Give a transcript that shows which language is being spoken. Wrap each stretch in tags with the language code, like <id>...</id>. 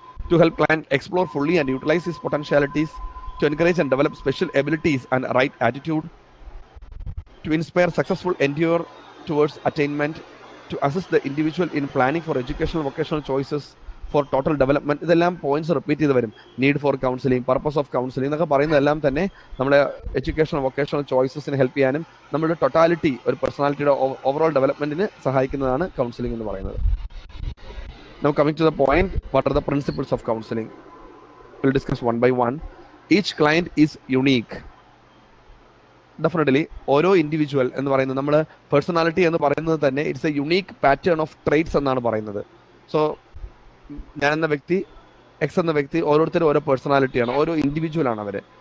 <en>To help client explore fully and utilize his potentialities, to encourage and develop special abilities and right attitude, to inspire successful endeavor towards attainment, to assist the individual in planning for educational vocational choices, for total development.</en> <ml>ഇതെല്ലാം points repeat ചെയ്ത് വരും. Need for counselling, purpose of counselling എന്നൊക്കെ പറയുന്നതെല്ലാം തന്നെ നമ്മുടെ educational vocational ചോയ്സസിന് help ചെയ്യാനും നമ്മുടെ totality ഒരു പേഴ്സണാലിറ്റിയുടെ ഓവറോൾ ഡെവലപ്മെന്റിന് സഹായിക്കുന്നതാണ് കൗൺസിലിംഗ് എന്ന് പറയുന്നത്.</ml> <en>Now coming to the point, what are the principles of counseling? We'll discuss one by one. Each client is unique.</en> <ml>Definitely, ഓരോ ഇൻഡിവിജ്വൽ എന്ന് പറയുന്നത്, നമ്മൾ പേഴ്സണാലിറ്റി എന്ന് പറയുന്നത് തന്നെ</ml> <en>it's a unique pattern of traits</en> <ml>എന്നാണ് പറയുന്നത്. സോ ഞാൻ എന്ന വ്യക്തി, എക്സ് എന്ന വ്യക്തി, ഓരോരുത്തരും ഓരോ പേഴ്സണാലിറ്റിയാണ്, ഓരോ ഇൻഡിവിജ്വലാണ് അവർ.</ml>